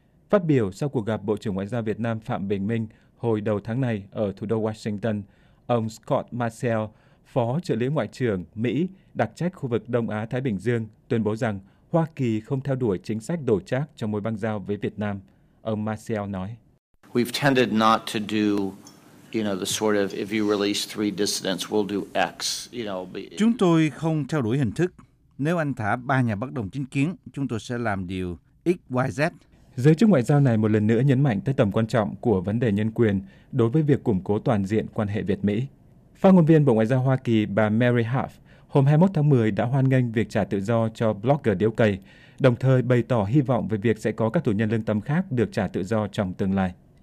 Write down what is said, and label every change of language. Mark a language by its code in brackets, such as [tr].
[vi] Phát biểu sau cuộc gặp Bộ trưởng Ngoại giao Việt Nam Phạm Bình Minh hồi đầu tháng này ở thủ đô Washington, ông Scott Marcell, Phó trợ lý Ngoại trưởng Mỹ đặc trách khu vực Đông Á-Thái Bình Dương, tuyên bố rằng Hoa Kỳ không theo đuổi chính sách đổi trác trong mối băng giao với Việt Nam. Ông Marcell nói: [en] "We've tended not to do, you know, the sort of if you release three dissidents, we'll do X, you know." [vi] Chúng tôi không theo đuổi hình thức. Nếu anh thả ba nhà bất đồng chính kiến, chúng tôi sẽ làm điều X, Y, Z. Giới chức ngoại giao này một lần nữa nhấn mạnh tới tầm quan trọng của vấn đề nhân quyền đối với việc củng cố toàn diện quan hệ Việt-Mỹ. Phát ngôn viên Bộ Ngoại giao Hoa Kỳ bà Mary Harf hôm 21 tháng 10 đã hoan nghênh việc trả tự do cho blogger Điếu Cày, đồng thời bày tỏ hy vọng về việc sẽ có các tù nhân lương tâm khác được trả tự do trong tương lai.